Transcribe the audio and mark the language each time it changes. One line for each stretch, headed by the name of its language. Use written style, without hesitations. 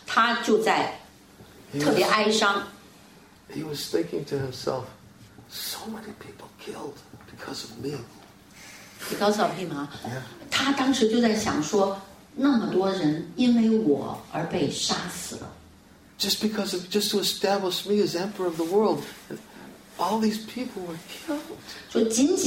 Chinese: 那尤迪斯帝尔站在毕什马祖父的这个箭床边上，他就在特别哀伤。
English: He was thinking to himself, so many people killed because of me. Because of him, huh? Yeah.
Chinese: 他当时就在想说, 那么多人因为我而被杀死了。
English: Just to establish me as emperor of the world, all these people were killed.